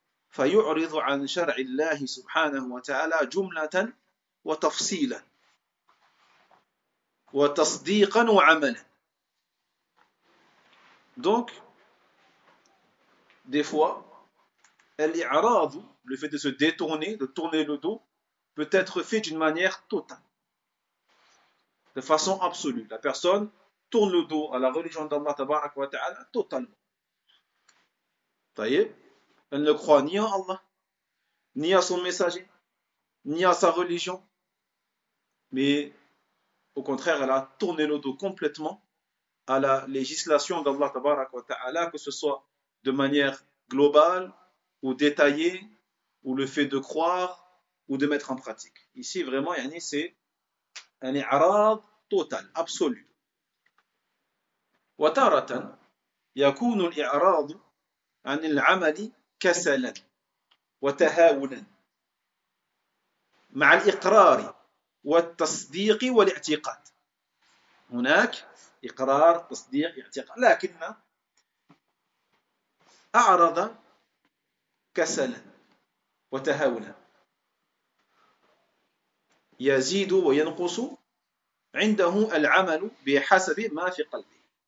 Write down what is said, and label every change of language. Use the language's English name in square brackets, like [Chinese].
[Arabic] فيعرض عن شرع الله سبحانه وتعالى جملة وتفصيلا وتصديقا وعملا. [French] Donc, des fois, l'i'rad, le fait de se détourner, de tourner le dos, peut être fait d'une manière totale, de façon absolue. La personne tourne le dos à la religion d'Allah tabarak wa ta'ala totalement. Taïeb. Elle ne croit ni en Allah, ni à son messager, ni à sa religion. Mais au contraire, elle a tourné le dos complètement à la législation d'Allah tabarak wa ta'ala, que ce soit de manière globale ou détaillée, ou le fait de croire ou de mettre en pratique. Ici, vraiment, yani, c'est un i'rad total, absolu. [Arabic] Wa taratan yakunu al-i'rad 'an al-'amali كسلا وتهاونا مع الإقرار والتصديق والاعتقاد. هناك إقرار تصديق اعتقاد، لكن أعرض كسلا وتهاونا. يزيد وينقص عنده العمل بحسب ما في قلبه.